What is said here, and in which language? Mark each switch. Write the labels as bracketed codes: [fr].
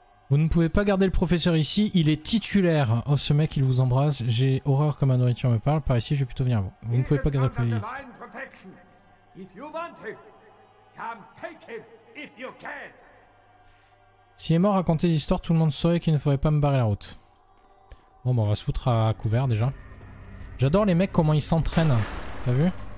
[fr] Vous ne pouvez pas garder le professeur ici, il est titulaire. Oh ce mec il vous embrasse, j'ai horreur que ma nourriture me parle, par ici je vais plutôt venir à vous. Vous ne pouvez pas garder le professeur ici. [en] If you want him, come take him if you can. [fr] S'il est mort, racontez l'histoire, tout le monde saurait qu'il ne faudrait pas me barrer la route. Bon, bah on va se foutre à couvert déjà. J'adore les mecs, comment ils s'entraînent. T'as vu?